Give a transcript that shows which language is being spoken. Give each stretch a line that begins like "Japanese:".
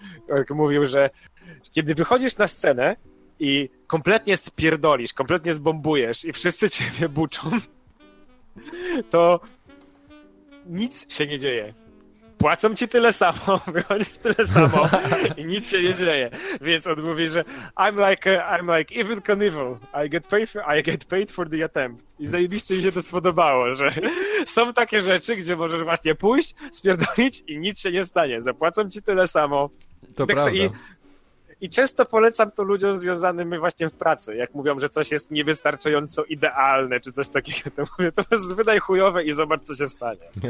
Polish: Jak mówił, że kiedy wychodzisz na scenę i kompletnie spierdolisz, kompletnie zbombujesz i wszyscy ciebie buczą, to nic się nie dzieje. Płacą ci tyle samo, wychodzisz tyle samo i nic się nie dzieje. Więc on mówi, że
English: I'm like Evil Knievel. I get paid for the attempt.
Polish: I zajebiście mi się to spodobało, że są takie rzeczy, gdzie możesz właśnie pójść, spierdolić i nic się nie stanie. Zapłacą ci tyle samo. To prawda. I często polecam to ludziom związanym właśnie w pracy. Jak mówią, że coś jest niewystarczająco idealne, czy coś takiego, to mówię, to jest wydaj chujowe i zobacz, co się stanie.